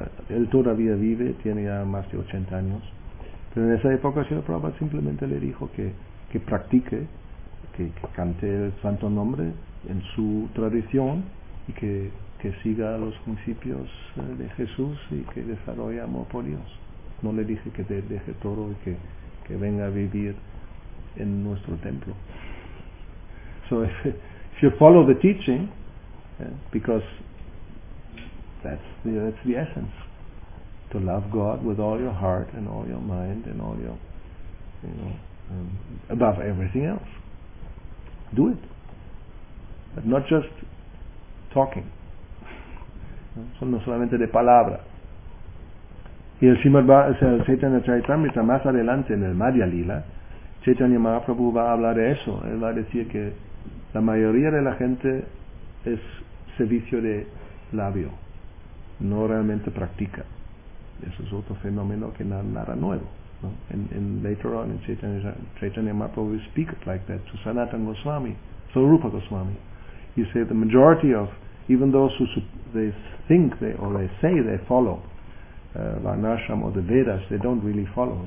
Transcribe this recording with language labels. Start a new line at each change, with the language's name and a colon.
Spanish: Él todavía vive, tiene ya más de 80 años, pero en esa época el Prabhupada simplemente le dijo que practique, que cante el santo nombre en su tradición y que siga los principios de Jesús y que desarrolle amor por Dios. No le dije que te deje todo y que venga a vivir en nuestro templo.
English: So if you follow the teaching, because that's the essence, to love God with all your heart and all your mind and all your, you know, above everything else. Do it, but not just talking.
Spanish: son no solamente de palabra. Y el Chaitanya Charitamrita, más adelante en el Madhya Lila, Chaitanya Mahaprabhu va a hablar de eso. Él va a decir que la mayoría de la gente es servicio de labio, no realmente practica. Eso es otro fenómeno que nada nuevo, ¿no?
English: En later on, Chaitanya Mahaprabhu speaks like that to Sanatana Goswami, Swarupa Goswami. He said the majority of, even those who they think they or they say they follow Varnashram or the Vedas, they don't really follow.